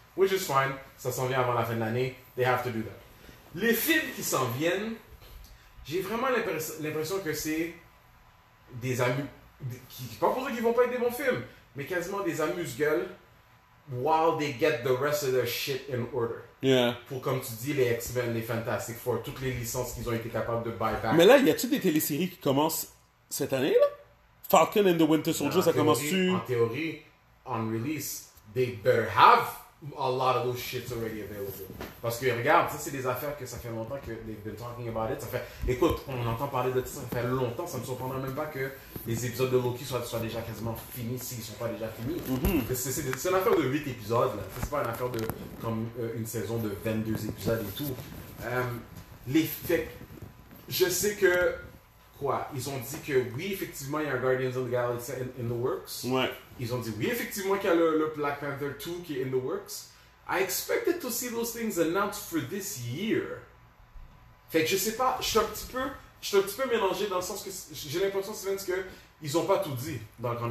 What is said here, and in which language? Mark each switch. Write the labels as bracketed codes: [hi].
[en] Which is fine, [fr] ça s'en vient avant la fin de l'année, [en] they have to do that. [fr] Les films qui s'en viennent, j'ai vraiment l'impression que c'est des pas pour dire qu'ils vont pas être des bons films, mais quasiment des amuse-gueules [en] while they get the rest of their shit in order. Yeah. [fr] Pour, comme tu dis, les X-Men, les Fantastic Four, toutes les licences qu'ils ont été capables de buy back. Mais là, y a-t-il des téléséries qui commencent cette année, là? Falcon and the Winter Soldier, ça commence-tu? En théorie, [en] on release, they better have a lot of those shits already available. [fr] Parce que, regarde, ça, c'est des affaires que ça fait longtemps que [en] they've been talking about it. [fr] Ça fait, écoute, on entend parler de ça, ça fait longtemps, ça me surprendra même pas que les épisodes de Loki soient déjà quasiment finis, s'ils sont pas déjà finis. Mm-hmm. C'est une affaire de 8 épisodes, là. C'est pas une affaire de, comme, une saison de 22 épisodes et tout. L'effet, je sais que, quoi, ils ont dit que oui, effectivement, il y a un Guardians of the Galaxy in the works. Ouais. Ils ont dit oui, effectivement, qu'il y a le Black Panther 2 qui est in the works. [en] I expected to see those things announced for this year. [fr] Fait que je sais pas, je suis un petit peu mélangé dans le sens que j'ai l'impression, Steven, qu'ils ont pas tout dit dans le grand